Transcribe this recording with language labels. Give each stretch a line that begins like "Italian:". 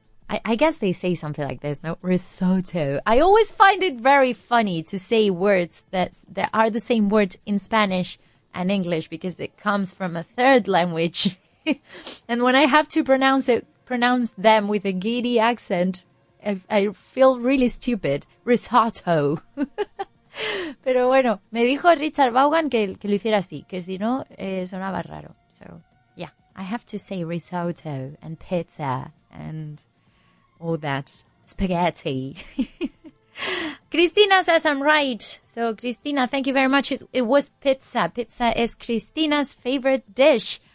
English: I guess they say something like this, no? Risotto. I always find it very funny to say words that are the same word in Spanish and English because it comes from a third language. And when I have to pronounce them with a giddy accent, I feel really stupid. Risotto.
Spanish: Pero bueno, me dijo Richard Vaughan que lo hiciera así, que si no, sonaba raro.
English: So, yeah, I have to say risotto and pizza and all that spaghetti. Cristina says I'm right. So, Cristina, thank you very much. It was pizza. Pizza is Cristina's favorite dish.